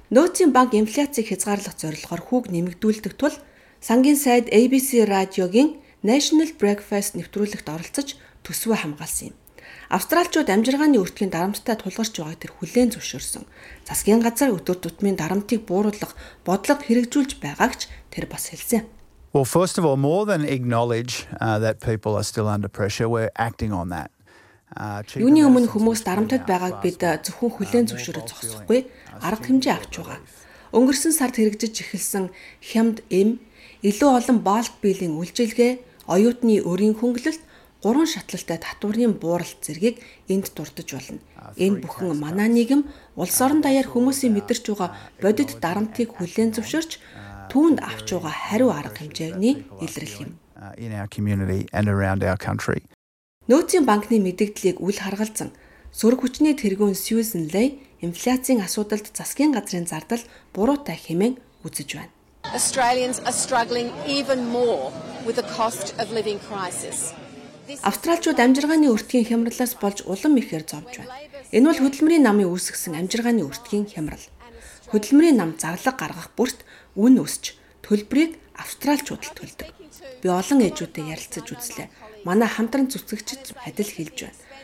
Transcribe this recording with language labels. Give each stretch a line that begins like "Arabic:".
Mongolian: Нөөцийн банк инфляцийг хязгаарлах зорилгоор хүүг нэмэгдүүлдэг тул сангийн сайд ABC радиогийн National Breakfast нэвтрүүлэгт оролцож төсвөө хамгаалсан юм. Австралчууд амжиргааны өртгийн дарамттай тулгарч байгааг тэр хүлээн зөвшөөрсөн. Засгийн газар өдөр тутмын дарамтыг бууруулах бодлого хэрэгжүүлж байгааг ч тэр бас хэлсэн.
English: Well, first of all, more than acknowledge that people are still under pressure, we're acting on that.
Mongolian: Юуны өмнө хүмүүс дарамттай байгааг бид зөвхөн хүлээн зөвшөөрөж зогсохгүй арга хэмжээ авч байгаа. Өнгөрсөн сард хэрэгжиж эхэлсэн хямд эм илүү олон балк биллийн үйлчилгээ, оюутны өрийн хөнгөлөлт, гурван шатлалтай татварын бууралт зэргийг энд дурдж байна. Энэ бүхэн манай нийгэм улс орон даяар хүмүүсийн мэдэрч байгаа бодит дарамтыг хүлээн зөвшөөрч түүнд авч байгаа хариу арга хэмжээний илрэл юм. Нөөцийн банкны мэдээллийг үл харгалзан сөрөг хүчний тэргүүн Сьюзен Лэй инфляцийн асуудалд засгийн газрын зардал буруутай хэмээн үзэж байна.
English: Australians are struggling even more with the cost of living crisis.
Mongolian: Австралчууд амжиргааны өртгийн хямралаас болж улам ихээр зовж байна. Энэ бол хөдөлмөрийн намын үүсгэсэн амжиргааны өртгийн хямрал. Хөдөлмөрийн нам зарлаг гаргах бүрт үн өсч, төлбөрийг австралчууд л төлдөг. Би олон эжүүдтэй ярилцаж үзлээ. Манай хамтран зүтгэгчд адил хэлж байна.